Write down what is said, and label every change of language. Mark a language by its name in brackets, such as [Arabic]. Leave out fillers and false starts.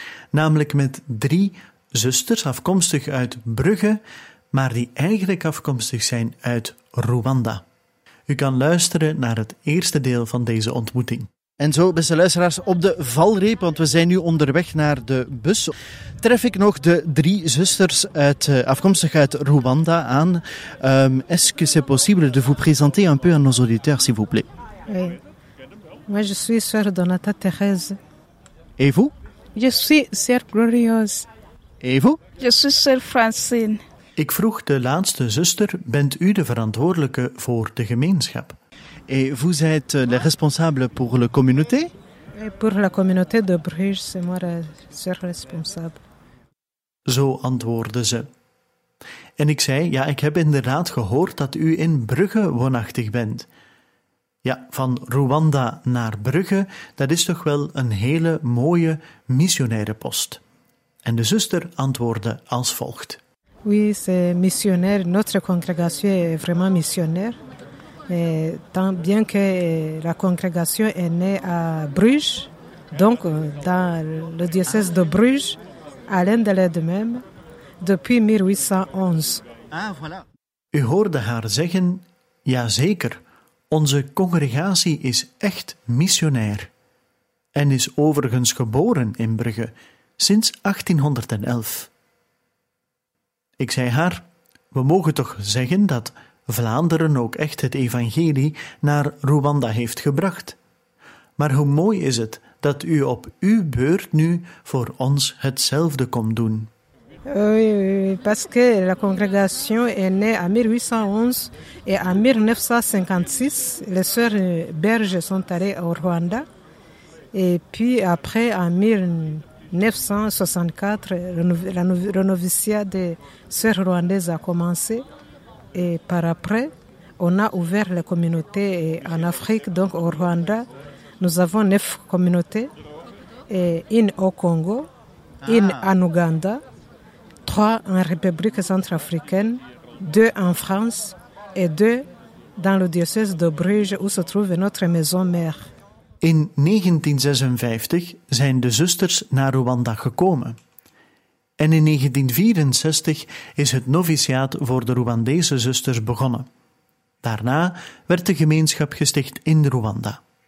[Dutch] Namelijk met drie zusters afkomstig uit Brugge, maar die eigenlijk afkomstig zijn uit Rwanda. U kan luisteren naar het eerste deel van deze ontmoeting. En zo, beste luisteraars, op de valreep, want we zijn nu onderweg naar de bus, tref ik nog de drie zusters uit, afkomstig uit Rwanda aan. [French] Est-ce que c'est possible de vous présenter un peu à nos auditeurs, s'il vous plaît? Oui. Moi, je suis sœur Donata Thérèse. Et vous? Je suis sœur Glorieuse. Et vous? Je suis sœur Francine. [Dutch] Ik vroeg de laatste zuster, bent u de verantwoordelijke voor de gemeenschap? [French] Et vous êtes le responsable pour la communauté? Et pour la communauté de Bruges, c'est moi la sœur responsable. [Dutch] Zo antwoordde ze. En ik zei, ja, ik heb inderdaad gehoord dat u in Brugge woonachtig bent. Ja, van Rwanda naar Brugge, dat is toch wel een hele mooie missionaire post. En de zuster antwoordde als volgt. [French] Oui, c'est missionnaire. Notre congrégation est vraiment missionnaire. Et tant bien que la congrégation est née à Bruges, donc dans le diocèse de Bruges, à l'un de l'aide-même, depuis 1811. Ah, voilà. [Dutch] U hoorde haar zeggen, ja zeker, onze congregatie is echt missionair en is overigens geboren in Brugge sinds 1811. Ik zei haar, we mogen toch zeggen dat Vlaanderen ook echt het evangelie naar Rwanda heeft gebracht. Maar hoe mooi is het dat u op uw beurt nu voor ons hetzelfde komt doen. [French] Oui, parce que la congrégation est née en 1811 et en 1956, les sœurs berges sont allées au Rwanda. Et puis après, en 1964, le noviciat des sœurs rwandaises a commencé. Et par après, on a ouvert la communauté en Afrique, donc au Rwanda. Nous avons 9 communautés, et une au Congo, une en Ouganda, 3 en République centrafricaine, 2 en France et 2 dans le diocèse de Bruges où se trouve notre maison mère. [Dutch] In 1956 zijn de zusters naar Rwanda gekomen. En in 1964 is het noviciaat voor de Rwandese zusters begonnen. Daarna werd de gemeenschap gesticht in Rwanda.